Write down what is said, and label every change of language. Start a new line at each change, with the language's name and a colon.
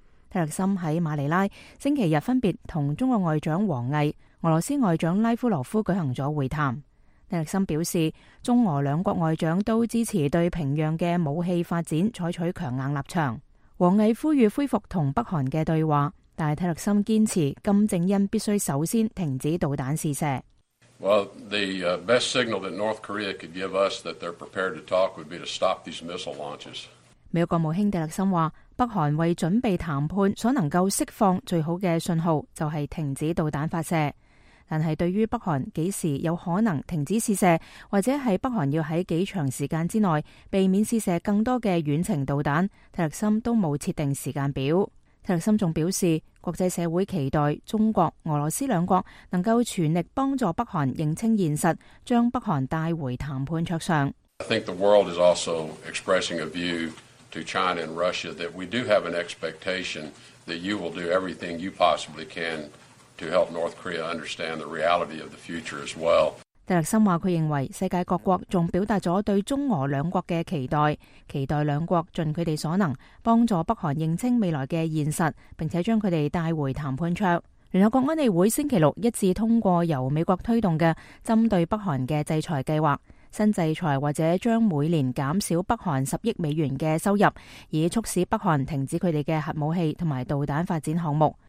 Cantonese: 特勒森在马尼拉星期日分别和中国外长王毅、俄罗斯外长拉夫罗夫举行了会谈。特勒森表示，中俄两国外长都支持对平壤的武器发展采取强硬立场。王毅呼吁恢复同北韩的对话，但特勒森坚持金正恩必须首先停止导弹试射。
English: Well, the best signal that North Korea could give us that they're prepared to talk would be to stop these missile launches.
Cantonese: 美国国务卿特勒森说，北韩为准备谈判所能够释放最好的信号就是停止导弹发射。但是对于北韩几时有可能停止试射，或者是北韩要在几长时间之内避免试射更多的远程导弹，特勒森都没有设定时间表。特勒森还表示，国际社会期待中国、俄罗斯两国能够全力帮助北韩认清现实，将北韩带回谈判桌上。
English: I think the world is also expressing a view to China and Russia that we do have an expectation that you will do everything you possibly can. To help North Korea understand the reality of the future as well.
Cantonese: 特勒森说，他认为世界各国还表达了对中俄两国的期待，期待两国尽他们所能帮助北韩认清未来的现实，并且将他们带回谈判桌。联合国安理会星期六一致通过由美国推动的针对北韩的制裁计划，新制裁或者将每年减少北韩$10亿的收入，以促使北韩停止他们的核武器和导弹发展项目。